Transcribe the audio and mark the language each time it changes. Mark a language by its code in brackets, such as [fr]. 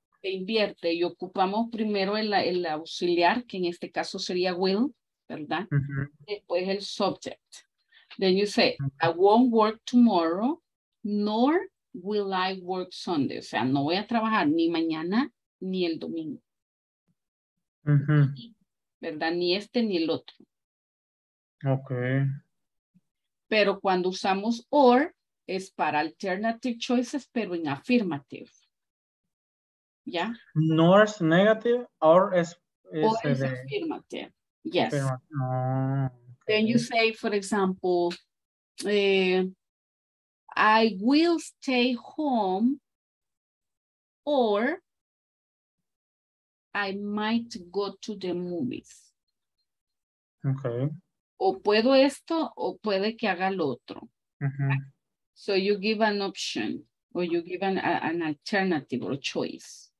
[es] Se invierte y ocupamos primero el auxiliar, que en este caso sería will, ¿verdad? Después el subject. [en] Then you say, I won't work tomorrow, nor will I work Sunday. [es] O sea, no voy a trabajar ni mañana, ni el domingo. ¿Verdad? Ni este ni el otro. Ok. Pero cuando usamos or, es para alternative choices, pero en affirmative. ¿Ya? Nor es negative, or es... Or es affirmative. Yes. Affirmative. [en] Then you say, for example, I will stay home, or I might go to the movies. Okay. [es] O puedo esto, o puede que haga lo otro. [en] So you give an option, or you give an alternative or choice.